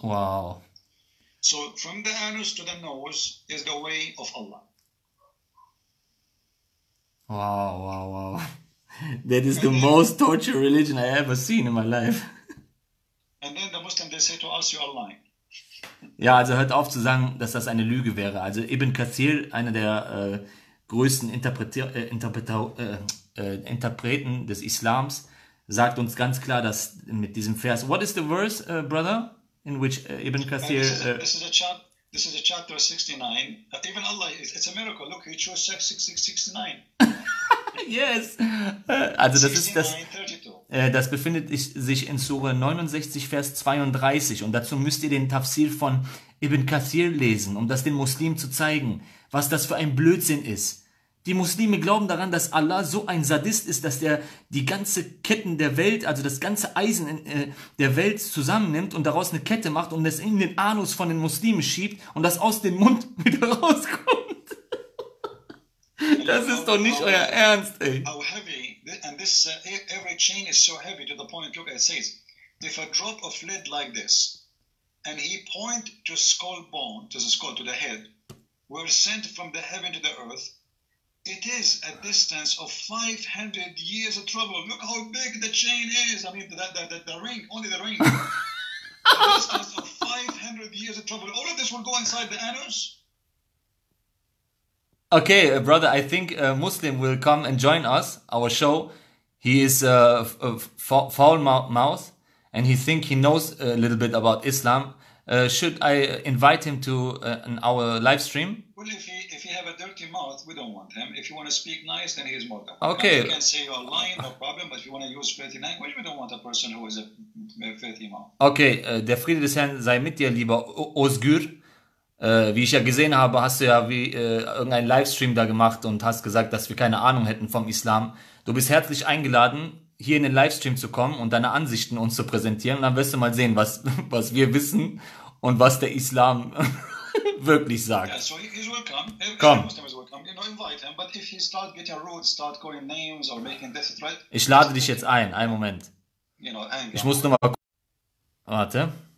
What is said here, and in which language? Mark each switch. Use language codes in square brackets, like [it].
[en] Wow. So from the anus to the nose is the way of Allah. Wow. That is the most tortured religion I ever seen in my life. And then the Muslim, they say to us, you are lying. [de] Ja, also hört auf zu sagen, dass das eine Lüge wäre. Also Ibn Kathir, einer der größten Interpreten des Islams, sagt uns ganz klar, dass mit diesem Vers, [en] what is the verse, brother, in which Ibn Kathir... This is a chapter 69. Even Allah, it's a miracle. Look, he chose 6669. [de] Yes, also das ist das. Das befindet sich in Sure 69, Vers 32. Und dazu müsst ihr den Tafsir von Ibn Kathir lesen, um das den Muslimen zu zeigen, was das für ein Blödsinn ist. Die Muslime glauben daran, dass Allah so ein Sadist ist, dass er die ganze Ketten der Welt, also das ganze Eisen der Welt zusammennimmt und daraus eine Kette macht und es in den Anus von den Muslimen schiebt und das aus dem Mund wieder rauskommt. Das ist doch nicht euer Ernst, ey. [en] How heavy, and this, every chain is so heavy to the point, look, it says, if a drop of lead like this, and he point to skull bone, to the skull, to the head, were sent from the heaven to the earth, It is a distance of 500 years of trouble. Look how big the chain is. I mean, the ring, only the ring. A distance of 500 years of trouble. All of this will go inside the anus. Okay, brother, I think a Muslim will come and join us, our show. He is a foul mouth and he thinks he knows a little bit about Islam. Should I invite him to our live stream? Well, if he have a dirty mouth, we don't want him. If you want to speak nice, then he is more than welcome. Okay. You can say you're lying, no problem, but if you want to use 39, well, we don't want a person who is a 30 mouth. [de] Okay, der Friede des Herrn sei mit dir, lieber Özgür. Wie ich ja gesehen habe, hast du ja wie irgendeinen Livestream da gemacht und hast gesagt, dass wir keine Ahnung hätten vom Islam. Du bist herzlich eingeladen, hier in den Livestream zu kommen und deine Ansichten uns zu präsentieren. Und dann wirst du mal sehen, was wir wissen und was der Islam wirklich sagt. [en] Yeah, so he's welcome. Every Muslim is welcome. You know, invite him. But if he start getting rude, start calling names or making death threats. [de] Ich lade dich jetzt ein. Einen Moment. [en] You know, anger. [de] Ich muss nur mal gucken. Warte.